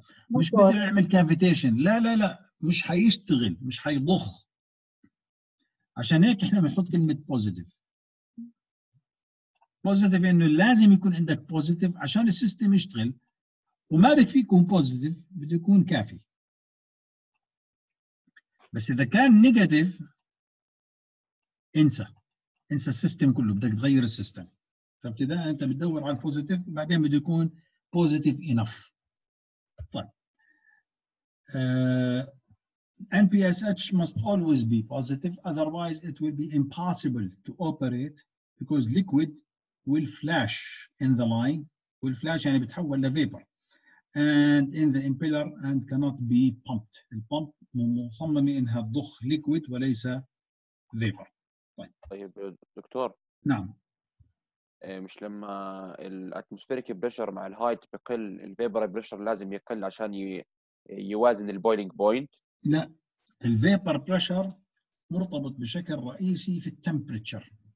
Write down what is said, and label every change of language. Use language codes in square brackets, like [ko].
[ar] مش بقدر اعمل كافيتيشن لا مش حيشتغل مش حيضخ عشان هيك احنا بنحط كلمة positive انه لازم يكون عندك positive عشان السيستم يشتغل وما بكفي يكون positive بده يكون كافي بس اذا كان negative انسى السيستم كله بدك تغير السيستم فابتداء انت بتدور على positive بعدين بده يكون [en] positive enough NPSH must always be positive, otherwise it will be impossible to operate because liquid will flash in the line, will flash and it will become vapor and in the impeller and cannot be pumped. The pump is designed to have liquid and not vapor. [ar] طيب دكتور نعم مش لما الاتموسفيريك بريشر مع الهايت بقل الفيبر بريشر لازم يقل عشان يوازن البويلينج بوينت لا الفيبر بريشر مرتبط بشكل رئيسي في التمبريتشر